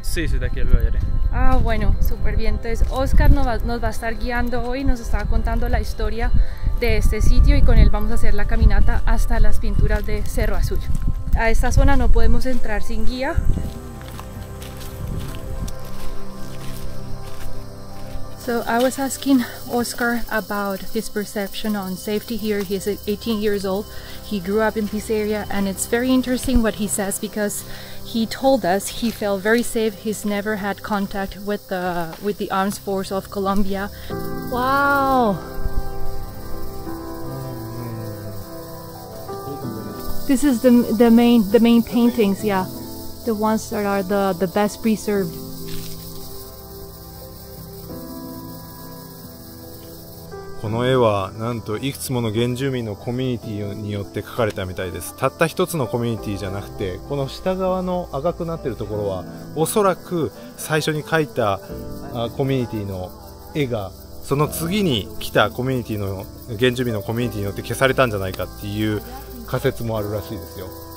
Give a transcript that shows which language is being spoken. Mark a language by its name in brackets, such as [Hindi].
[Spanish] Sí, soy de aquí en el Guaviare. Ah, bueno, súper bien. Entonces, Oscar nos va a estar guiando hoy, nos está contando la historia de este sitio y con él vamos a hacer la caminata hasta las pinturas de Cerro Azul. A esta zona no podemos entrar sin guía. [English] So I was asking Oscar about his perception on safety here. He's 18 years old. He grew up in this area and it's very interesting what he says because he told us he felt very safe. He's never had contact with the armed force of Colombia. Wow! This is the main paintings, yeah. The ones that are the best preserved. [Japanese] この絵はなんといくつもの原住民のコミュニティによって描かれたみたいです。たった一つのコミュニティじゃなくて、この下側の赤くなっているところはおそらく最初に描いたコミュニティの絵が、その次に来たコミュニティの原住民のコミュニティによって消されたんじゃないかっていう仮説もあるらしいですよ。